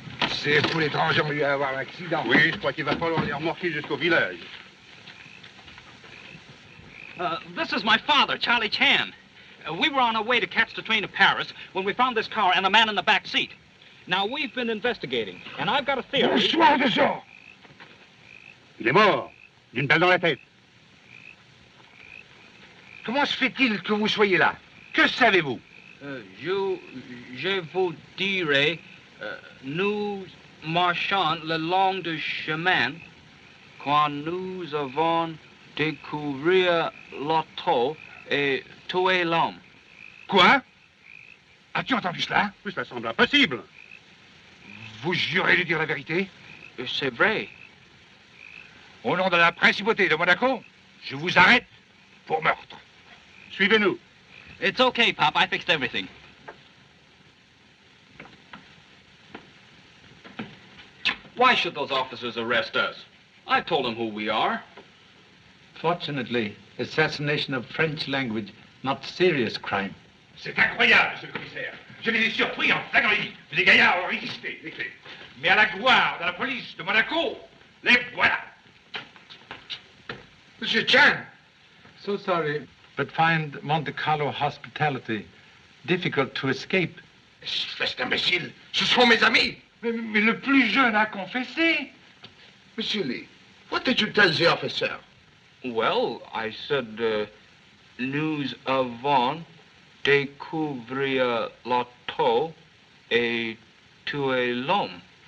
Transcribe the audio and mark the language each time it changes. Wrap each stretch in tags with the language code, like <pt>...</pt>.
<fr>C'est pour les trangers, on lui a eu un accident. Oui, je crois qu'il va falloir les remorquer jusqu'au village.</fr> <en>This is my father, Charlie Chan. We were on our way to catch the train to Paris when we found this car and a man in the back seat. Now, we've been investigating, and I've got a theory...</en> <fr>Bonsoir, monsieur! Il est mort, d'une balle dans la tête. Comment se fait-il que vous soyez là? Que savez-vous? Je vous dirai, nous marchons le long du chemin quand nous avons découvert l'auto et tué l'homme. Quoi? As-tu entendu cela? Oui, ça semble impossible. Vous jurez de dire la vérité? C'est vrai. Au nom de la principauté de Monaco, je vous arrête pour meurtre. Suivez-nous.</fr> <en>It's okay, Pop. I fixed everything. Why should those officers arrest us? I told them who we are. Fortunately, assassination of French language, not serious crime.</en> <fr>C'est incroyable, monsieur le commissaire. Je les ai surpris en flagrant délit. Mais les gaillards ont résisté. Mais à la gloire de la police de Monaco, les voilà. Monsieur Chan.</fr> <en>So sorry, but find Monte Carlo hospitality difficult to escape.</en> <fr>Espèce d'imbécile, ce sont mes amis. Mais le plus jeune a confessé.</fr> <en>Monsieur Lee, what did you tell the officer? Well, I said,</en> <fr>nous avons découvert l'auto et tué l'homme.</fr>